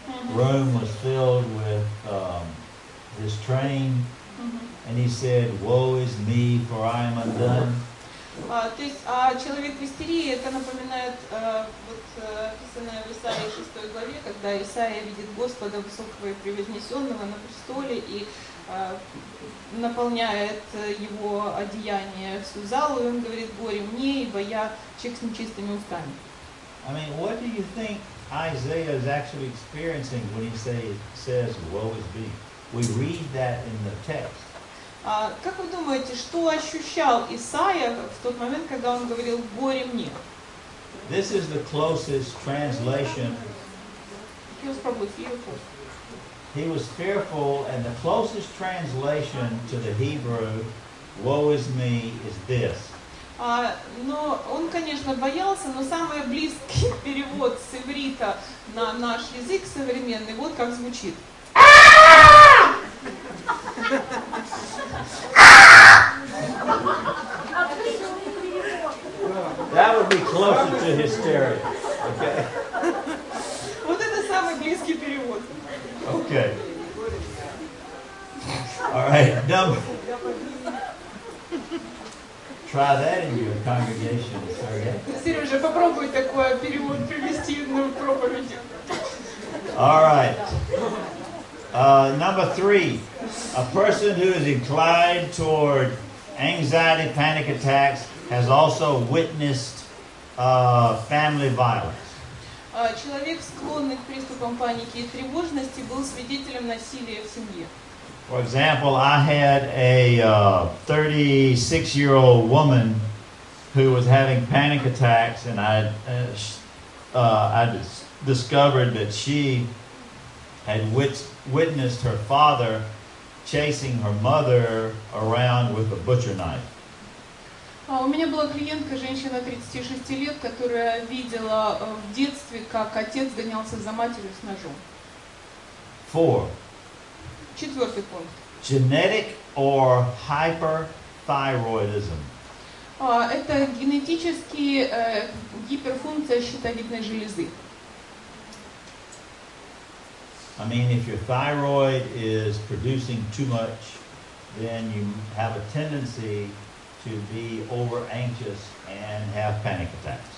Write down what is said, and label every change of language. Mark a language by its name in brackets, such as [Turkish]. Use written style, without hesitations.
[English] Room was filled with his train, and he said, woe is me, for I am undone. [Russian] То есть, а человек в истерии, это напоминает писанное в Исаии 6 главе, когда Исаия видит Господа Высокого и Превознесенного на престоле и наполняет его одеяние всю залу, и он говорит, горе мне, ибо я человек с нечистыми устами. [English] I mean, what do you think Isaiah is actually experiencing when he says, woe is me? We read that in the text. [Russian] Как вы думаете, что ощущал Исаия в тот момент, когда он говорил «Горе мне»? [English] This is the closest translation. He was probably fearful. He was fearful, and the closest translation to the Hebrew «Woe is me» is this. [Russian] Но он, конечно, боялся, но самый близкий перевод с иврита на наш язык современный, вот как звучит. [English] That would be closer to hysteria. Okay. [Russian] Вот это самый близкий перевод. [English] Okay. All right. Number. Try that in your congregation. Sorry. [Russian] Сережа, попробуй такой перевод привести на проповедь. [English] All right. Number three. A person who is inclined toward anxiety, panic attacks, has also witnessed family violence. [Russian] Человек, склонный к приступам паники и тревожности, был свидетелем насилия в семье. [English] For example, I had a 36-year-old woman who was having panic attacks, and I discovered that she had witnessed her father chasing her mother around with a butcher knife. [Russian] У меня была клиентка, женщина 36 лет, которая видела в детстве, как отец гонялся за матерью с ножом. [English] Four. [Russian] Четвертый пункт. [English] Genetic or hyperthyroidism. [Russian] Это генетический гиперфункция щитовидной железы. [English] I mean, if your thyroid is producing too much, then you have a tendency to be over anxious and have panic attacks.